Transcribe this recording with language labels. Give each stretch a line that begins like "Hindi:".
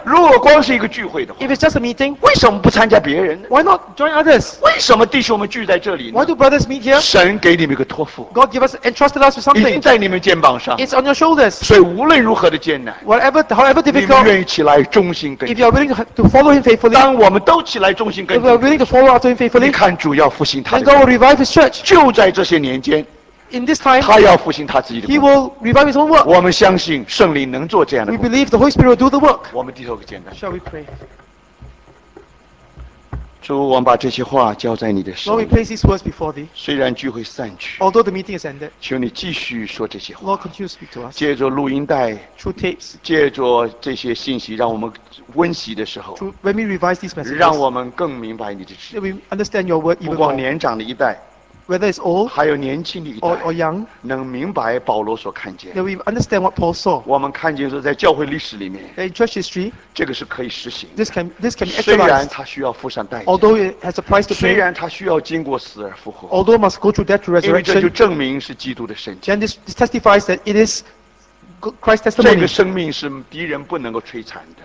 Chinese: 如果光是一个聚会的话
English: If it's just a meeting,
Chinese: 为什么不参加别人呢
English: Why not join others?
Chinese: 为什么弟兄们聚在这里呢
English: Why do brothers meet here?
Chinese: 神给你们一个托付
English: God gave us, entrusted us with something.
Chinese: 已经在你们肩膀上
English: It's on your shoulders.
Chinese: 所以无论如何的艰难
English: Whatever, however difficult,
Chinese: 你们愿意起来忠心跟
English: If you are willing to follow him faithfully,
Chinese: 当我们都起来忠心跟
English: If you are willing to follow after him faithfully,
Chinese: 你看主要复兴他的
English: And God will revive his church.
Chinese: 就在这些年间
English: In this time,
Chinese: 他要复兴他自己的。
English: He will revive his own work.
Chinese: 我们相信圣灵能做这样的。
English: We believe the Holy Spirit will do the work.
Chinese: 我们低头简单。
English: Shall we pray?
Chinese: 主，我们把这些话交在你的手里。
English: Lord, we place these words before thee.
Chinese: 虽然聚会散去。
English: Although the meeting is ended.
Chinese: 求你继续说这些话。
English: Lord, continue to speak to us.
Chinese: 借着录音带。
English: Through tapes.
Chinese: 借着这些信息，让我们温习的时候。
English: When we revise these messages.
Chinese: 让我们更明白你的旨意。
English: That we understand your word even more.
Chinese: 不光年长的一代。
English: Whether it's old
Chinese: 还有年轻的一代
English: or young,
Chinese: 能明白保罗所看见
English: that we understand what Paul saw.
Chinese: 我们看见说在教会历史里面
English: in church history,
Chinese: 这个是可以实行
English: this can be actualized.
Chinese: 虽然他需要付上代价
English: although it has a price to pay,
Chinese: 虽然他需要经过死而复活
English: although must go through death to resurrection,
Chinese: 因为这就证明是基督的身体
English: and this testifies that it is Christ's testimony.
Chinese: 这个生命是敌人不能够摧残的